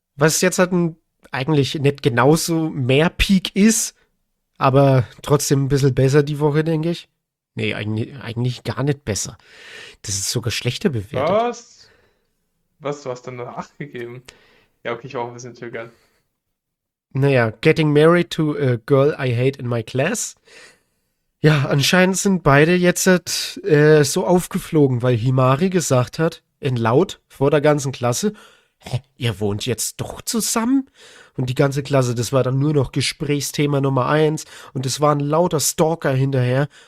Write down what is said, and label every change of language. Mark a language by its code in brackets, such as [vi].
[de] Was jetzt halt eigentlich nicht genauso mehr Peak ist, aber trotzdem ein bisschen besser die Woche, denke ich. Nee, eigentlich gar nicht besser. Das ist sogar schlechter bewertet. Was? Was? Du hast dann nur 8 gegeben? Ja, okay, ich war auch ein bisschen zögern. Naja, [en] getting married to a girl I hate in my class. [de] Ja, anscheinend sind beide jetzt so aufgeflogen, weil Himari gesagt hat, in laut vor der ganzen Klasse, hä, ihr wohnt jetzt doch zusammen? Und die ganze Klasse, das war dann nur noch Gesprächsthema Nummer 1 und es waren lauter Stalker hinterher.